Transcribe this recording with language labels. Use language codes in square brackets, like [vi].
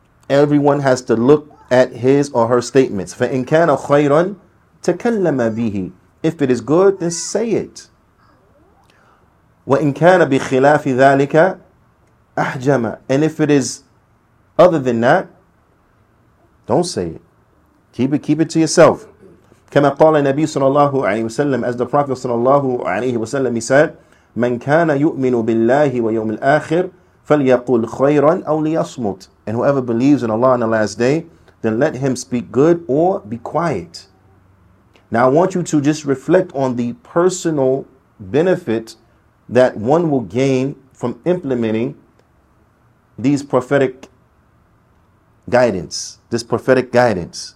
[en] Everyone has to look at his or her statements. [ar] فَإِنْ كَانَ خَيْرًا تَكَلَّمَ بِهِ. [en] If it is good, then say it. [ar] وَإِنْ كَانَ بِخِلَافِ ذَلِكَ أَحْجَمَ. [en] And if it is other than that, don't say it. Keep it to yourself. [ar] كما قال النبي صلى الله عليه وسلم, [en] as the Prophet [ar] صلى الله عليه وسلم, [en] he said, [ar] من كان يؤمن بالله ويوم الآخر فليقول خيرا أو ليصمت. [en] And whoever believes in Allah on the last day, then let him speak good or be quiet. Now I want you to just reflect on the personal benefit that one will gain from implementing these prophetic guidance, this prophetic guidance.